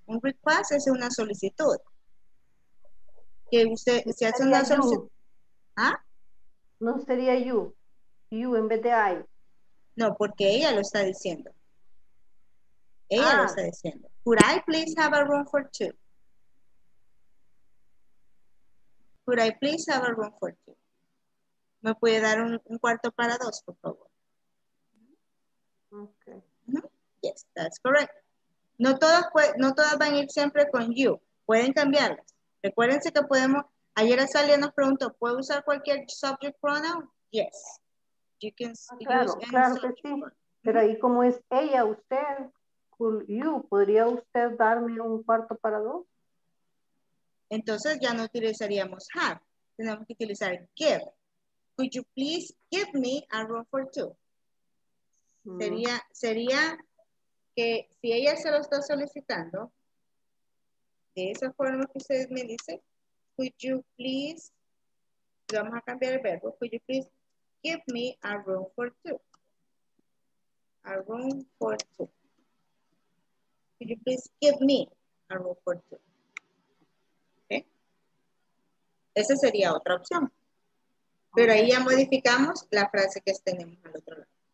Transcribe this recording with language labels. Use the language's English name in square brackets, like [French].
[Spanish] Un request es una solicitud. Que usted se hace una solicitud. ¿Ah? No sería you. You en vez de I. No, porque ella lo está diciendo. Ella lo está diciendo. [English] Could I please have a room for two? Could I please have a room for two? [Spanish] ¿Me puede dar un cuarto para dos, por favor? [English] Okay. Yes, that's correct. [Spanish] No todas van a ir siempre con you. Pueden cambiarlas. Recuérdense que podemos... Ayer Azalia nos preguntó, ¿puedo usar cualquier subject pronoun? [English] Yes. You can use any [Spanish] claro que sí. Pronoun. Pero ahí como es ella, usted, [English] could you, [Spanish] ¿podría usted darme un cuarto para dos? Entonces ya no utilizaríamos have. Tenemos que utilizar give. [English] Could you please give me a room for two? [Spanish] Sería que si ella se lo está solicitando, de esa forma que ustedes me dicen, [English] could you please, [Spanish] vamos a cambiar el verbo, [English] could you please give me a room for two? A room for two. Could you please give me a room for two? [Spanish] Okay. Esa sería otra opción. Pero ahí ya modificamos la frase que tenemos al otro lado.